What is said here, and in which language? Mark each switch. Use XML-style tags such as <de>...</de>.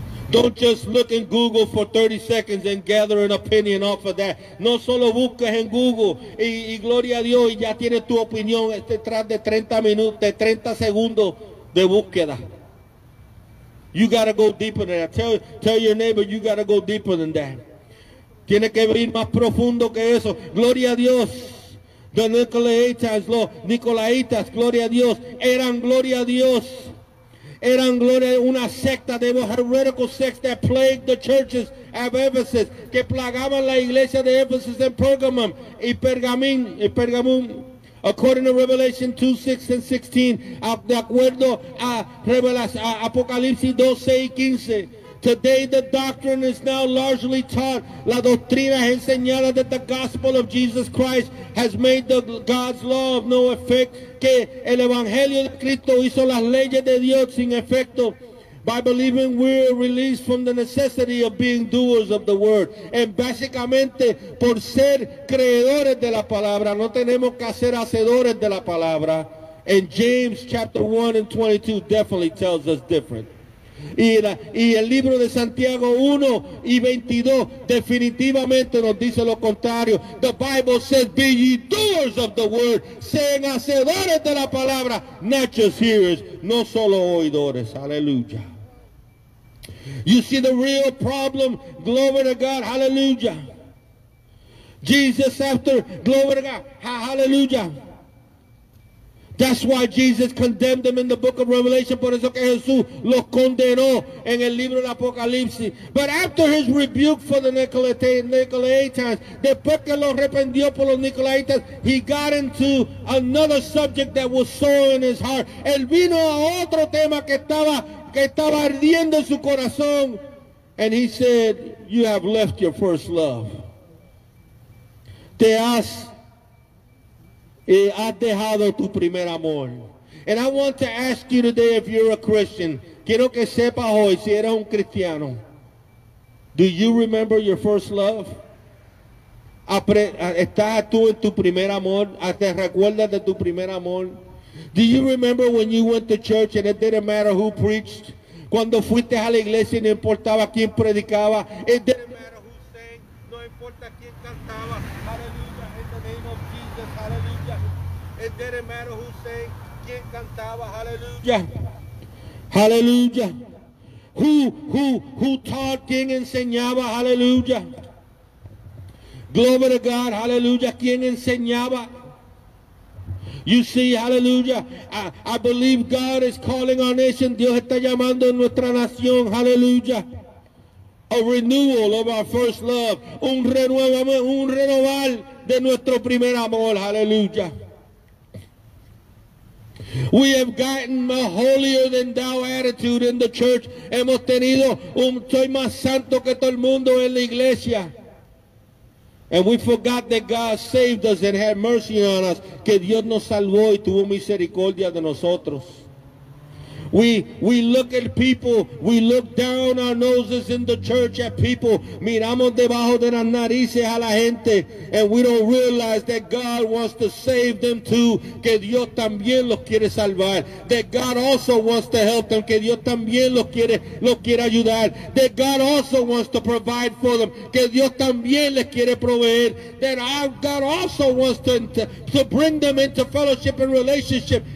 <en>Don't just look in Google for 30 seconds and gather an opinion off of that.</en> <es>No solo busques en Google y gloria a Dios y ya tienes tu opinión detrás de 30 minutos, de 30 segundos de búsqueda.</es> <en>You gotta go deeper than that. Tell your neighbor you gotta go deeper than that.</en> <es>Tiene que ir más profundo que eso. Gloria a Dios. The Nicolaitas, los Nicolaitas, gloria a Dios, eran gloria a Dios, eran gloria una secta, de</es> <en>heretical sects that plagued the churches of Ephesus,</en> <es>que plagaban la iglesia de Ephesus en Pergamum, y Pergamín, y Pergamum,</es> <en>according to Revelation 2, 6 and 16,</en> <es>de acuerdo a Apocalipsis 12 y 15.</es> <en>Today the doctrine is now largely taught.</en> <es>La doctrina es enseñada</es> <en>that the gospel of Jesus Christ has made the God's law of no effect.</en> <es>Que el evangelio de Cristo hizo las leyes de Dios sin efecto.</es> <en>By believing we are released from the necessity of being doers of the word.</en> <es>And básicamente por ser creedores de la palabra. No tenemos que ser hacedores de la palabra.</es> <en>And James chapter 1 and 22 definitely tells us different.</en> <es>Y el libro de Santiago 1 y 22 definitivamente nos dice lo contrario.</es> <en>The Bible says, be ye doers of the word.</en> <es>Sean hacedores de la palabra,</es> <en>not just hearers,</en> <es>no solo oidores. Aleluya.</es> <en>You see the real problem, glory to God, aleluya. Jesus after, glory to God, aleluya. That's why Jesus condemned them in the book of Revelation.</en> <es>Por eso que Jesús los condenó en el libro del Apocalipsis.</es> <en>But after his rebuke for the Nicolaitans,</en> <es>después que los reprendió por los Nicolaitans,</es> <en>he got into another subject that was sore in his heart.</en> <es>Él vino a otro tema que estaba que estaba ardiendo su corazón.</es> <en>And he said, you have left your first love.</en> <es>Has dejado tu primer amor.</es> <en>And I want to ask you today if you're a Christian.</en> <es>Quiero que sepas hoy si eres un cristiano.</es> <en>Do you remember your first love?</en> <es>¿Estás tú en tu primer amor? ¿Te recuerdas de tu primer amor?</es> <en>Do you remember when you went to church and it didn't matter who preached?</en> <es>Cuando fuiste a la iglesia y no importaba quién predicaba.</es> <en>It didn't matter who sang.</en> <es>No importa quién cantaba.</es> <en>Hallelujah, in the name of Jesus. Hallelujah. It didn't matter who sang.</en> <es>Quién cantaba.</es> <en>Hallelujah. Hallelujah. Who taught,</en> <es>quién enseñaba.</es> <en>Hallelujah. Glory to God. Hallelujah.</en> <es>Quién enseñaba.</es> <en>You see, hallelujah, I believe God is calling our nation,</en> <es>Dios está llamando a nuestra nación,</es> <en>hallelujah, a renewal of our first love,</en> <es>un renovar de nuestro primer amor,</es> <en>hallelujah. We have gotten a holier than thou attitude in the church,</en> <es>hemos tenido un soy más santo que todo el mundo en la iglesia.</es> <en>And we forgot that God saved us and had mercy on us.</en> <es>Que Dios nos salvó y tuvo misericordia de nosotros.</es> <en>We look at people. We look down our noses in the church at people.</en> <es>Miramos debajo de las narices a la gente.</es> <en>And we don't realize that God wants to save them too.</en> <es>Que Dios también los quiere salvar.</es> <en>That God also wants to help them.</en> <es>Que Dios también los quiere ayudar.</es> <en>That God also wants to provide for them.</en> <es>Que Dios también les quiere proveer.</es> <en>That God also wants to bring them into fellowship and relationship.</en>